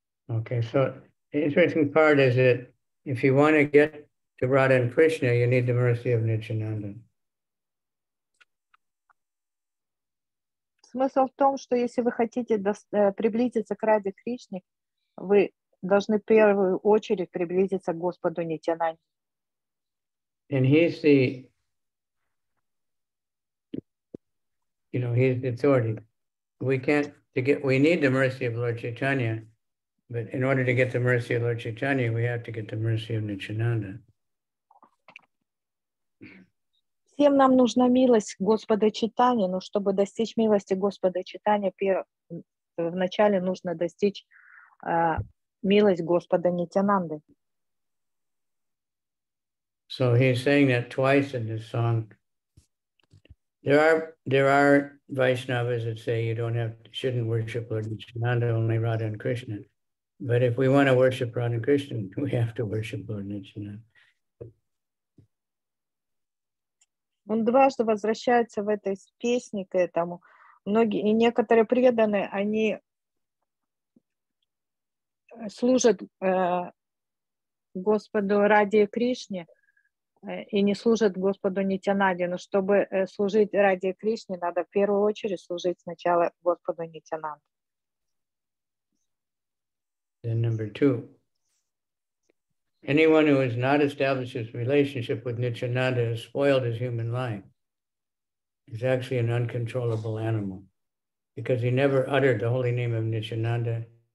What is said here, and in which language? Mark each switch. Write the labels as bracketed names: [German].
[English] Okay, so the interesting part is that if you want to get to Radha and Krishna, you need the mercy of Nityananda. [Russian] Смысл в том, что если вы хотите приблизиться к Раде Кришне, вы должны в первую очередь приблизиться к Господу Нитянанде. [English] And he's the, you know, he's the authority. We can't to get, we need the mercy of Lord Chaitanya, but in order to get the mercy of Lord Chaitanya, we have to get the mercy of Nityananda. [Russian] Всем нам нужна милость Господа Чайтаньи, но чтобы достичь милости Господа Чайтаньи, вначале нужно достичь милость Господа Нитянанды. [English] So he's saying that twice in this song. There are Vaishnavas that say you don't have shouldn't worship Lord Nityananda, only Radha and Krishna. But if we want to worship Radha and Krishna, we have to worship Lord Nityananda. [Russian] Он дважды возвращается в этой песне к этому. Многие и некоторые преданные, они служат Господу ради Кришне и не служат Господу Нитянанде. Но чтобы служить ради Кришне, надо в первую очередь служить сначала Господу Нитянанде. [English] Then number two. Anyone who has not established his relationship with Nityananda has spoiled his human life. He's actually an uncontrollable animal because he never uttered the holy name of Nityananda.